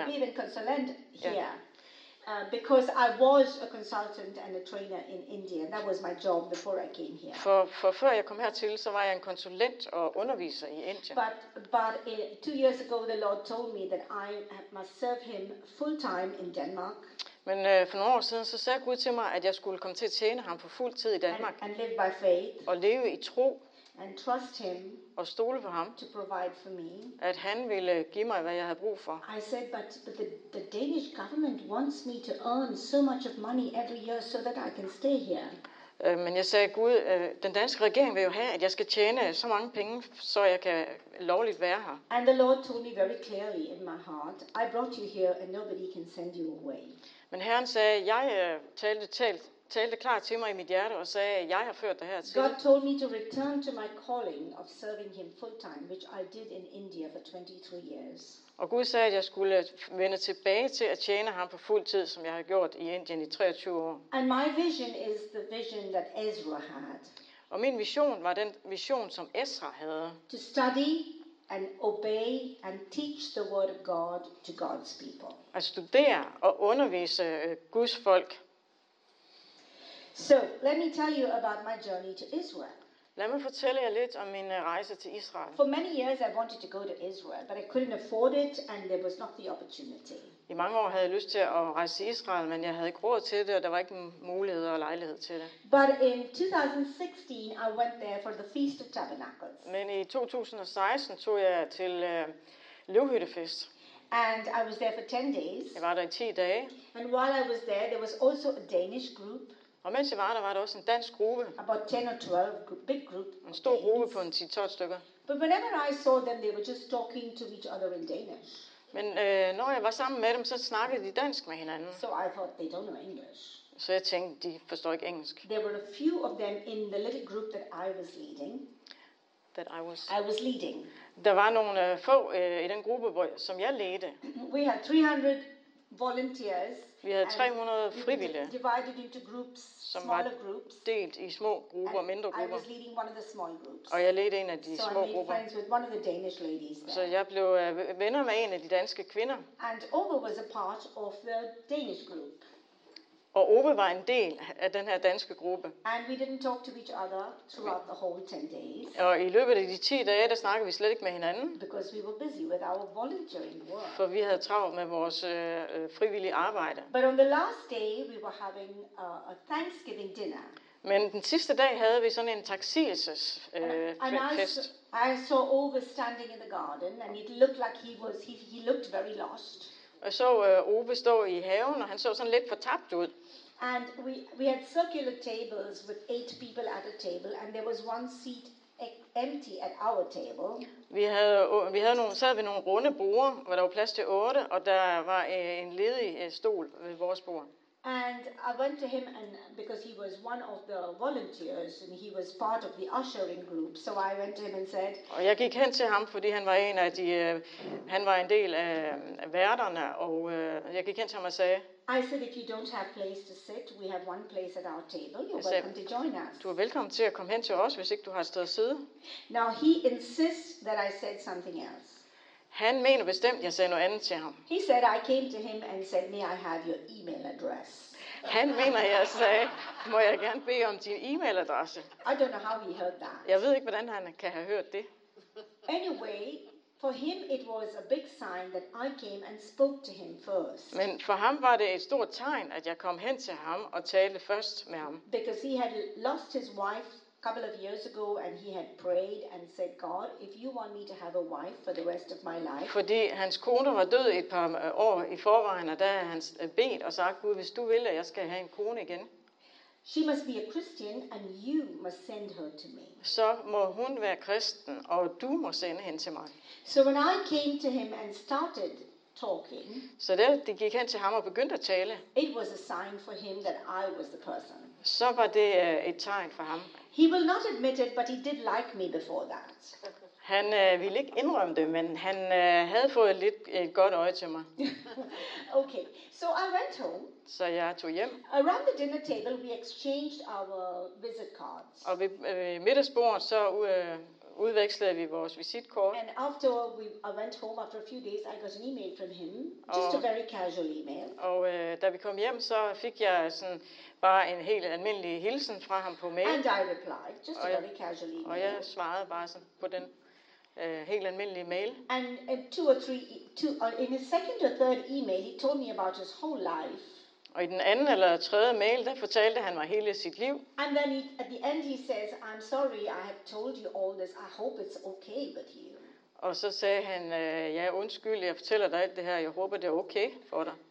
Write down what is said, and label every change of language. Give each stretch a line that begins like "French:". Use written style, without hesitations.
English: Yeah, even consultant here. Yeah. Because I was a consultant and a trainer in India. That was my job before I came here.
Danish: For før jeg kom hertil, så var jeg en konsulent og underviser i Indien.
English: But 2 years ago, the Lord told me that I must serve him full-time in Denmark.
Danish: Men for nogle år siden, så sagde Gud til mig, at jeg skulle komme til at tjene ham på fuld tid i Danmark.
English: And live by faith.
Danish: Og leve i tro.
English: And trust him.
Danish: Og stole på ham.
English: To provide for me.
Danish: At han ville give mig, hvad jeg havde brug for.
English: I said, but the Danish government wants me to earn so much of money every year, so that I can stay here.
Danish: Men jeg sagde, Gud, den danske regering vil jo have, at jeg skal tjene så mange penge, så jeg kan lovligt være her.
English: And the Lord told me very clearly in my heart, I brought you here and nobody can send you away.
Danish: Men Herren sagde, jeg talte klart til mig i mit hjerte og sagde, jeg har ført dig hertil.
English: God told me to return to my calling of serving him full time, which I did in India for 23 years.
Danish: Og Gud sagde, at jeg skulle vende tilbage til at tjene ham på fuld tid, som jeg har gjort i Indien i 23 år.
English: And my vision is the vision that Ezra had.
Danish: Og min vision var den vision, som Ezra havde.
English: To study and obey and teach the word of God to God's people.
Danish: At studere og undervise Guds folk.
English: So, let me tell you about my journey to Israel.
Danish: Lad mig fortælle jer lidt om min rejse til Israel.
English: For many years I wanted to go to Israel, but I couldn't afford it and there was not the opportunity.
Danish: I mange år havde jeg lyst til at rejse til Israel, men jeg havde ikke råd til det, og der var ikke mulighed og lejlighed til det.
English: But in 2016 I went there for the Feast of Tabernacles.
Danish: Men i 2016 tog jeg til løvhyttefest.
English: And I was there for 10 days.
Danish: Jeg var der i 10 dage.
English: And while I was there there was also a Danish group.
Danish: Og mens jeg var der, var der også en dansk gruppe.
English: About 10 or 12 group, big group.
Danish: En stor gruppe på en 10-12 stykker.
English: But whenever I saw them, they were just talking to each other in Danish.
Danish: Men når jeg var sammen med dem, så snakkede de dansk med hinanden.
English: So I thought they don't know English.
Danish: Så jeg tænkte, de forstår ikke engelsk.
English: There were a few of them in the little group that I was leading. That I was leading.
Danish: Der var nogle få i den gruppe, som jeg ledte.
English: We had 300 volunteers.
Danish: Vi havde 300 frivillige,
English: divided into groups,
Danish: som var
English: groups,
Danish: delt i små grupper og mindre grupper.
English: I was leading one of the small groups.
Danish: Og jeg ledte en af de
English: so
Danish: små grupper.
English: With one of the Danish ladies there.
Danish: Så jeg blev venner med en af de danske kvinder.
English: And Ove was a part of the Danish group.
Danish: Og Ove var en del af den her danske gruppe.
English: And we didn't talk to each other throughout the whole 10 days.
Danish: Og i løbet af de 10 dage, der snakkede vi slet ikke med hinanden.
English: Because we were busy with our volunteering work.
Danish: For vi havde travlt med vores frivillige arbejde.
English: But on the last day, we were having a Thanksgiving dinner.
Danish: Men den sidste dag havde vi sådan en taksigelses fest.
English: I saw Ove standing in the garden and it looked like he looked very lost.
Danish: Og så Ove stå i haven, og han så sådan lidt fortabt ud.
English: And we had circular tables with 8 people at a table, and there was one seat empty at our table.
Danish: Vi havde nogle runde borde, hvor der var plads til 8, og der var en ledig stol ved vores bord.
English: And I went to him, and because he was one of the volunteers and he was part of the ushering group, so I went to him and said.
Danish: Og jeg gik hen til ham, fordi han var en af de, han var en del af værterne, og jeg gik hen til ham og sagde.
English: I said, if you don't have place to sit, we have one place at our table. You're welcome to join us.
Danish: Du er velkommen til at komme hen til os, hvis ikke du har et sted at sidde.
English: Now he insists that I said something else.
Danish: Han mener bestemt, jeg sagde noget andet til ham.
English: He said I came to him and said, may I have your email address?
Danish: Han mener, jeg sagde, må jeg gerne bede om din e-mailadresse?
English: I don't know how he heard that.
Danish: Jeg ved ikke, hvordan han kan have hørt det.
English: Anyway, for him it was a big sign that I came and spoke to him first.
Danish: Men for ham var det et stort tegn, at jeg kom hen til ham og talte først med ham.
English: Because he had lost his wife couple of years ago and he had prayed and said, God, if you want me to have a wife for the rest of my life.
Danish: Fordi hans kone var død et par år i forvejen, og da han bedt og sagt, Gud, hvis du vil, at jeg skal have en kone igen.
English: She must be a Christian and you must send her to me.
Danish: Så må hun være kristen, og du må sende hende til mig.
English: So when I came to him and started talking.
Danish: Så da de gik hen til ham og begyndte at tale.
English: It was a sign for him that I was the person.
Danish: Så var det et tegn for ham.
English: He will not admit it, but he did like me before that.
Danish: Han ville ikke indrømme det, men han havde fået lidt et godt øje til mig.
English: Okay, so I went home.
Danish: Så jeg tog hjem.
English: Around the dinner table, we exchanged our visit cards.
Danish: Og ved middagsbordet, så udvekslede vi vores visitkort.
English: And after I went home after a few days, I got an email from him, just a very casual email.
Danish: Og da vi kom hjem, så fik jeg sådan bare en helt almindelig hilsen fra ham på mail.
English: And I replied, just a very casual email.
Danish: Og jeg svarede bare sådan på den helt almindelige mail.
English: And in two or three, two, in his second or third email, he told me about his whole life.
Danish: Og i den anden eller tredje mail, der fortalte han mig hele sit liv.
English: And then he, at the end he says, I'm sorry, I have told you all this. I hope it's okay with you.
Danish: Og så sagde han, ja, undskyld, jeg fortæller dig alt det her. Jeg håber, det er okay for dig.